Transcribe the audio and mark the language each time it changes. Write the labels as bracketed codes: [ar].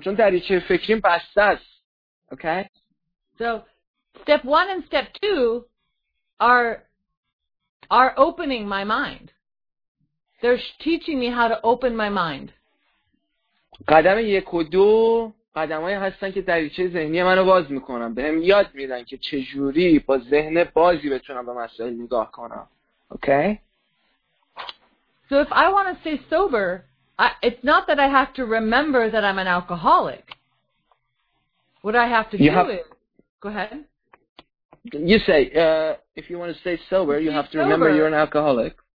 [fa] چون دریچه فکریم بسته است. [en] Okay. So step one and step two are opening my mind. They're teaching me how to open my mind. [fa] قدم یک و دو قدمایی هستن که دریچه ذهنی منو باز میکنن، بهم یاد میدن که چجوری با ذهن بازی بتونم به مسائل نگاه کنم. [en] Okay. So if I want to stay sober, it's not that I have to remember that I'm an alcoholic. What I have to you do have, is, go ahead. You say, if you want to stay sober, you have to remember you're an alcoholic.